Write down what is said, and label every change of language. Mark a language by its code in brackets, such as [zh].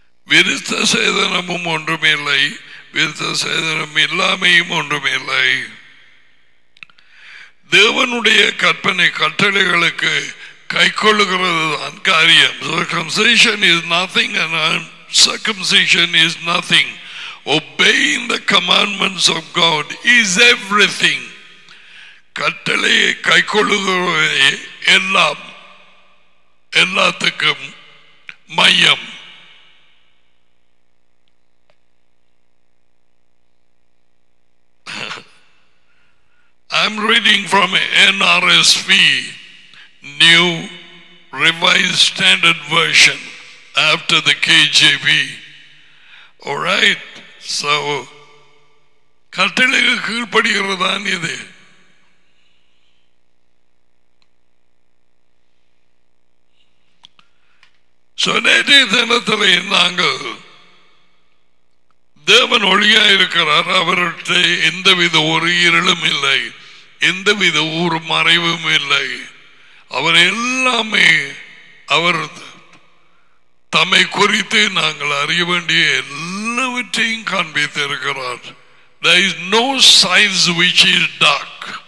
[ta] விருத்த சேதனமும் ஒன்றுமில்லை, விருத்த சேதனம் இல்லாமையும் ஒன்றுமில்லை. தேவனுடைய கற்பனை கட்டளைகளுக்கு கை கொள்ளுகிறது தான் காரியம். [en] Circumcision is nothing and uncircumcision is nothing. Obeying the commandments of God is everything. [ta] கட்டளையை கை கொள்ளுகிறவை எல்லாம் எல்லாத்துக்கும் மையம். [en] I'm reading from NRSV, New Revised Standard Version, after the KJV. All right, so, [ta] கட்டளைக்கு கீழ்ப்படுகிறது தான் இது. So, நேற்றைய தினத்திலே நாங்கள் தேவன் ஒளியாயிருக்கிறார், அவர்கிட்ட எந்தவித ஒரு இருளும் இல்லை, எந்தவித ஊர் மறைவும் இல்லை. அவர் எல்லாமே அவர் தம்மை குறித்து நாங்கள் அறிய வேண்டிய எல்லாவற்றையும் காண்பித்திருக்கிறார். [en] There is no signs which is dark.